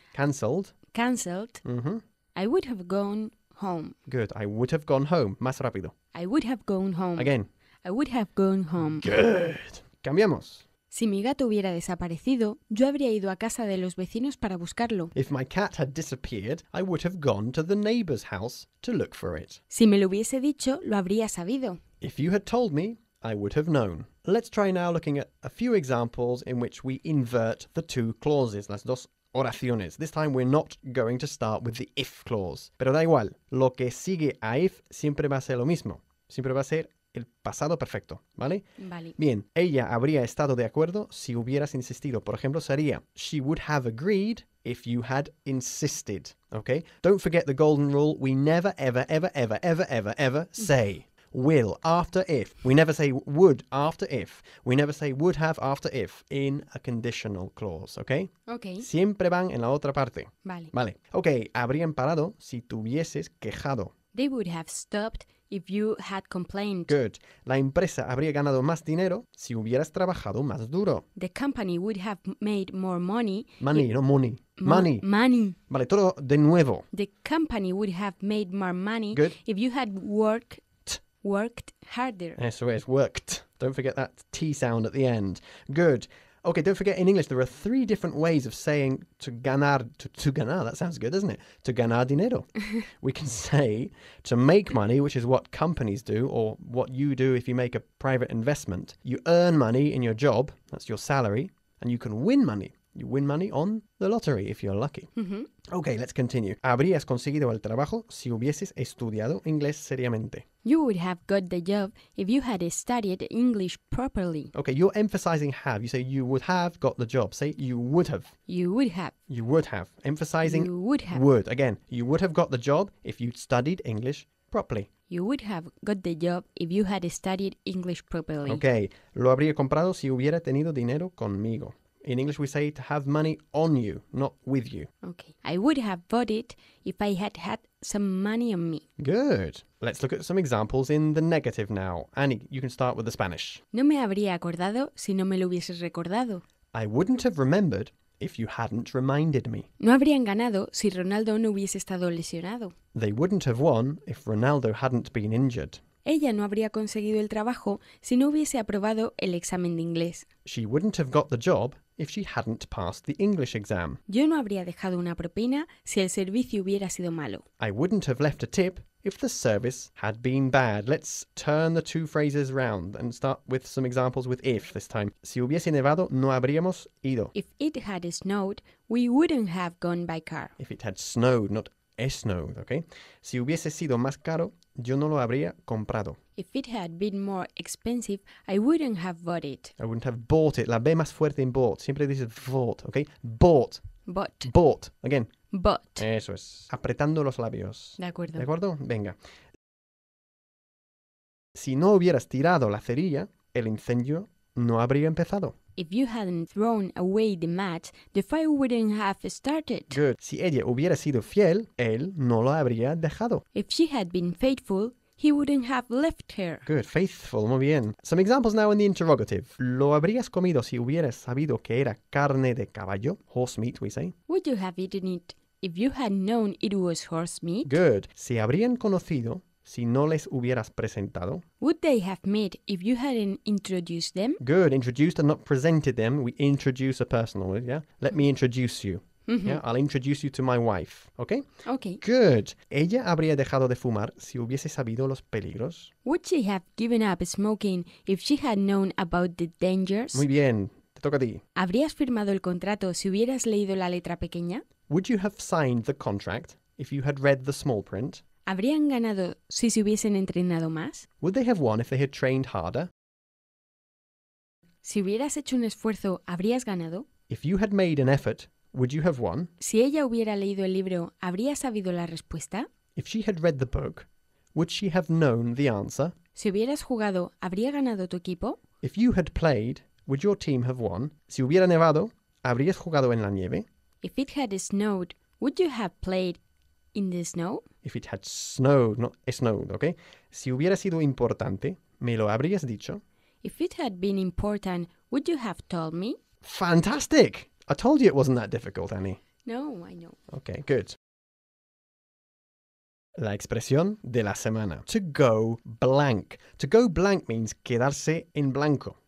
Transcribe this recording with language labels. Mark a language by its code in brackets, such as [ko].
[en] Cancelled. Cancelled. I would have gone home. Good. I would have gone home. [es] Más rápido. [en] I would have gone home. Again. I would have gone home. Good. [es] Cambiamos. Si mi gato hubiera desaparecido, yo habría ido a casa de los vecinos para buscarlo. [en] If my cat had disappeared, I would have gone to the neighbor's house to look for it. [es] Si me lo hubiese dicho, lo habría sabido. [en] If you had told me, I would have known. Let's try now looking at a few examples in which we invert the two clauses, [es] las dos oraciones. [en] This time we're not going to start with the if clause. [es] Pero da igual, lo que sigue a if siempre va a ser lo mismo. Siempre va a ser el pasado perfecto, ¿vale? Vale. Bien, ella habría estado de acuerdo si hubieras insistido. Por ejemplo, sería, [en] she would have agreed if you had insisted, ¿okay? Don't forget the golden rule, we never, ever, ever, ever, ever, ever, ever say will after if. We never say would after if. We never say would have after if in a conditional clause, ¿okay? Okay. [es] Siempre van en la otra parte. Vale. Vale. Okay, habrían parado si tuvieses quejado. [en] They would have stopped if you had complained. Good. [es] La empresa habría ganado más dinero si hubieras trabajado más duro. [en] The company would have made more money. Money, no money. Money. Money. [es] Vale, todo de nuevo. [en] The company would have made more money. Good. If you had worked harder. [es] Eso es, worked. [en] Don't forget that T sound at the end. Good. Okay, don't forget, in English, there are three different ways of saying to ganar, to ganar, that sounds good, doesn't it? To ganar dinero. We can say to make money, which is what companies do, or what you do if you make a private investment. You earn money in your job, that's your salary, and you can win money. You win money on the lottery if you're lucky. Mm-hmm. Okay, let's continue. [es] ¿Habrías conseguido el trabajo si hubieses estudiado inglés seriamente? [en] You would have got the job if you had studied English properly. Okay, you're emphasizing have. You say you would have got the job. Say you would have. You would have. You would have. Emphasizing you would have. Would. Again, you would have got the job if you'd studied English properly. You would have got the job if you had studied English properly. [es] Okay, lo habría comprado si hubiera tenido dinero conmigo. [en] In English, we say to have money on you, not with you. Okay. I would have bought it if I had had some money on me. Good. Let's look at some examples in the negative now. Annie, you can start with the Spanish. [es] No me habría acordado si no me lo hubieses recordado. [en] I wouldn't have remembered if you hadn't reminded me. [es] No habrían ganado si Ronaldo no hubiese estado lesionado. [en] They wouldn't have won if Ronaldo hadn't been injured. [es] Ella no habría conseguido el trabajo si no hubiese aprobado el examen de inglés. [en] She wouldn't have got the job if she hadn't passed the English exam. [es] Yo no habría dejado una propina si el servicio hubiera sido malo. [en] I wouldn't have left a tip if the service had been bad. Let's turn the two phrases round and start with some examples with if this time. [es] Si hubiese nevado, no habríamos ido. [en] If it had snowed, we wouldn't have gone by car. If it had snowed, not snowed, okay? [es] Si hubiese sido más caro, yo no lo habría comprado. [en] If it had been more expensive, I wouldn't have bought it. I wouldn't have bought it. [es] La B más fuerte en [en] bought. [es] Siempre dices [en] bought, okay? Bought. Bought. Bought. Again. Bought. [es] Eso es. Apretando los labios. De acuerdo. ¿De acuerdo? Venga. Si no hubieras tirado la cerilla, el incendio no habría empezado. [en] If you hadn't thrown away the match, the fire wouldn't have started. Good. [es] Si ella hubiera sido fiel, él no lo habría dejado. [en] If she had been faithful, he wouldn't have left her. Good. Faithful. [es] Muy bien. [en] Some examples now in the interrogative. [es] ¿Lo habrías comido si hubieras sabido que era carne de caballo? [en] Horse meat, we say. Would you have eaten it if you had known it was horse meat? Good. [es] ¿Se habrían conocido si no les hubieras presentado? [en] Would they have met if you hadn't introduced them? Good. Introduced and not presented them. We introduce a person, yeah? Let me introduce you. Mm-hmm. Yeah, I'll introduce you to my wife. Okay? Okay. Good. [es] ¿Ella habría dejado de fumar si hubiese sabido los peligros? [en] Would she have given up smoking if she had known about the dangers? [es] Muy bien. Te toca a ti. ¿Habrías firmado el contrato si hubieras leído la letra pequeña? [en] Would you have signed the contract if you had read the small print? [es] ¿Habrían ganado si se hubiesen entrenado más? [en] Would they have won if they had trained harder? [es] Si hubieras hecho un esfuerzo, ¿habrías ganado? [en] If you had made an effort, would you have won? [es] Si ella hubiera leído el libro, ¿habría sabido la respuesta? [en] If she had read the book, would she have known the answer? [es] Si hubieras jugado, ¿habría ganado tu equipo? [en] If you had played, would your team have won? [es] Si hubiera nevado, ¿habrías jugado en la nieve? [en] If it had snowed, would you have played in the snow? If it had snowed, not snowed, okay? [es] Si hubiera sido importante, ¿me lo habrías dicho? [en] If it had been important, would you have told me? Fantastic! I told you it wasn't that difficult, Annie. No, I know. Okay, good. [es] La expresión de la semana. [en] To go blank. To go blank means [es] quedarse en blanco.